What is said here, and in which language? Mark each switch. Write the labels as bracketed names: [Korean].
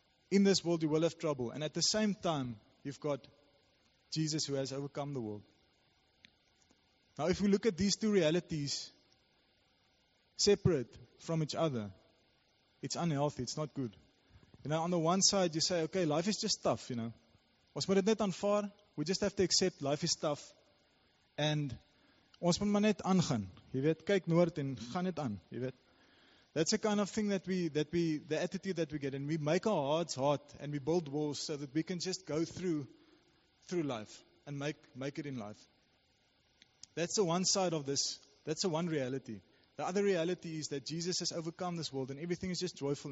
[English] In this world, you will have trouble. And at the same time, you've got Jesus who has overcome the world. Now, if we look at these two realities separate from each other, it's unhealthy, it's not good. You know, on the one side you say, okay, life is just tough, you know. [Afrikaans] Ons moet dit net aanvaar, [English] we just have to accept life is tough. [Afrikaans] And ons moet maar net aangaan, jy weet, kyk noord en gaan net aan, jy weet. [English] That's the kind of thing that the attitude that we get. And we make our hearts hot and we build walls so that we can just go through life and make it in life. That's the one side of this, that's the one reality. The other reality is that Jesus has overcome this world and everything is just joyful.